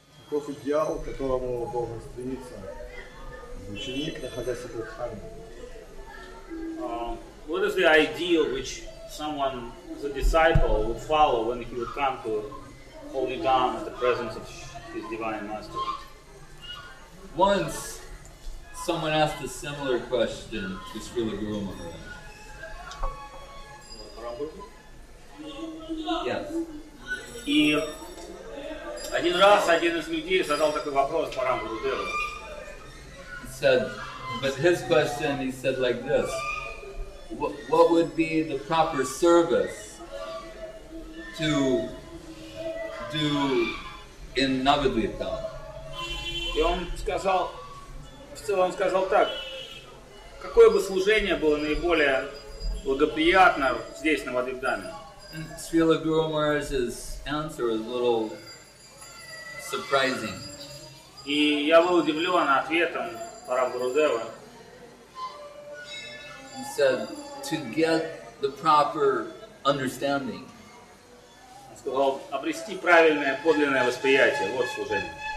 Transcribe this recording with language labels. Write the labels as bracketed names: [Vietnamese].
[Russian] кофе идеал, к которому должен стремиться ученик, находясь в Будхаме. [English] What is the ideal which someone, the disciple, would follow when he would come to Holy Dham in the presence of his divine master? Once, someone asked a similar question to Srila Guru Maharaj. Yes. [Russian] И один раз один из людей задал такой вопрос Парамгуру Деву. [English] He said, but his question, he said like this. What would be the proper service to do in Navadvipa? [Russian] И он сказал, в целом он сказал так, какое бы служение было наиболее благоприятно здесь, на Навадвипе? [English] And Srila Guru Maharaj's answer is a little surprising. [Russian] И я был удивлен ответом Парамгуру Дева. [English] He said, to get the proper understanding. [Russian] Он сказал, обрести правильное, подлинное восприятие, вот служение.